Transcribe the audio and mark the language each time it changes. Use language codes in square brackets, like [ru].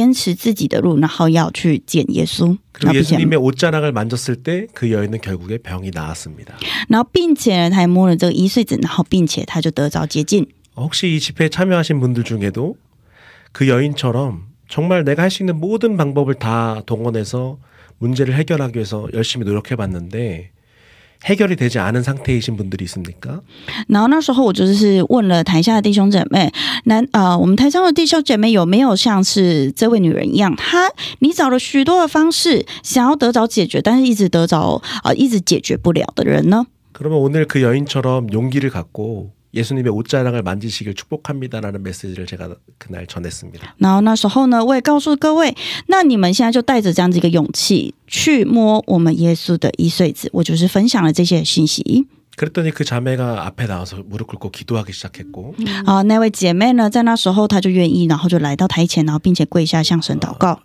[zh] 但是呢，这位女人呢，她还是要坚持自己的路，然后要去见耶稣。 [ko] 그리고 예수님의 옷자락을 만졌을 때 그 여인은 결국에 병이 나았습니다. [zh] 然后，并且她摸了这个医碎子，然后并且她就得着洁净。 [ko] 혹시 이 집회에 참여하신 분들 중에도 그 여인처럼 정말 내가 할 수 있는 모든 방법을 다 동원해서 문제를 해결하기 위해서 열심히 노력해봤는데 해결이 되지 않은 상태이신 분들이 있습니까? [zh] 那时候我就是问了台下的弟兄姐妹，我们台上的弟兄姐妹有没有像是这位女人一样，她你找了许多的方式想要得着解决，但是一直解决不了的人呢？ [ko] 그러면 오늘 그 여인처럼 용기를 갖고 예수님의 옷자락을 만지시길 축복합니다라는 메시지를 제가 그날 전했습니다. [zh] 那时候呢，我也告诉各位，那你们现在就带着这样子一个勇气去摸我们耶稣的衣穗子，我就是分享了这些信息。 [ko] 그랬더니 그 자매가 앞에 나와서 무릎 꿇고 기도하기 시작했고. [zh] 那位姐妹呢在那时候她就愿意然后就来到台前然后并且跪下向神祷告